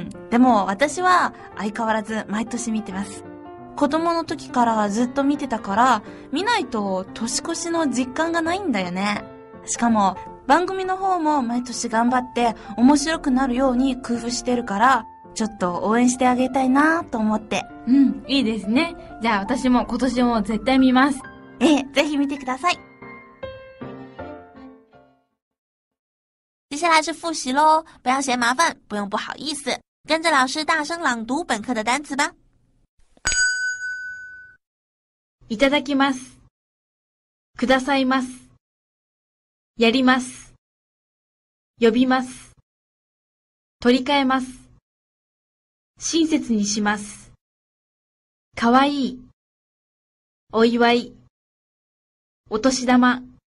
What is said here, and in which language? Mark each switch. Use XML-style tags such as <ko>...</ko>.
<ja>でも私は相変わらず毎年見てます。子供の時からずっと見てたから、見ないと年越しの実感がないんだよね。しかも番組の方も毎年頑張って面白くなるように工夫してるから、ちょっと応援してあげたいなと思って。いいですね。じゃあ私も今年も絶対見ます。ぜひ見てください。</ja> <zh>接下来是复习咯，不要嫌麻烦，不用不好意思，跟着老师大声朗读本课的单词吧。</zh> <ja>いただきます、くださいます、やります、呼びます、取り替えます、親切にします、かわいい、お祝い、お年玉、</ja>